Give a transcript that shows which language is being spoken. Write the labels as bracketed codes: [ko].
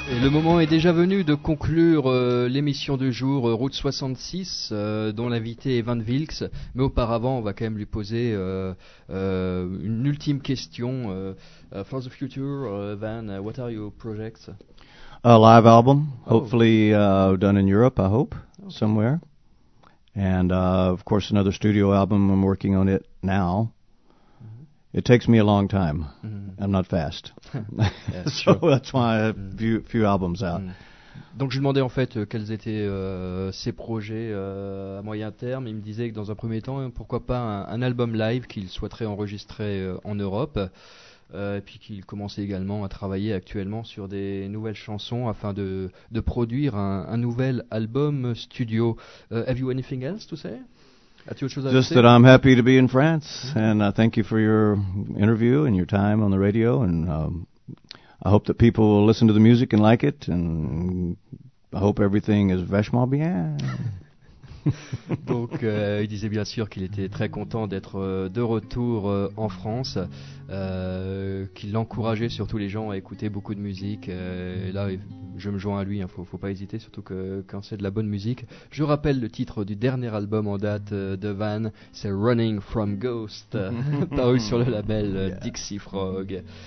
[fr] moment est déjà venu de conclure l'émission du jour Route 66, dont l'invité est Van Vilks. Mais auparavant, on va quand même lui poser une ultime question. [en] For the future, Van, what are your projects? A live album, hopefully done in Europe, I hope, somewhere. And, of course, another studio album. I'm working on it now. It takes me a long time. Mm-hmm. I'm not fast. Yeah, so true. That's why I have a few albums out. Mm. [fr] Donc, je lui demandais, en fait, quels étaient ses projets à moyen terme. Il me disait que, dans un premier temps, pourquoi pas un album live qu'il souhaiterait enregistrer en Europe. Et puis qu'il commençait également à travailler actuellement sur des nouvelles chansons afin de produire un nouvel album studio. [en] Have you anything else to say? Just that I'm happy to be in France, and I thank you for your interview and your time on the radio, and I hope that people will listen to the music and like it, and I hope everything is [fr] vachement bien. Donc, il disait bien sûr qu'il était très content d'être de retour en France, qu'il encourageait surtout les gens à écouter beaucoup de musique. Et là, je me joins à lui, faut pas hésiter, surtout que quand c'est de la bonne musique. Je rappelle le titre du dernier album en date de Van, c'est Running From Ghost, paru sur le label Dixie Frog.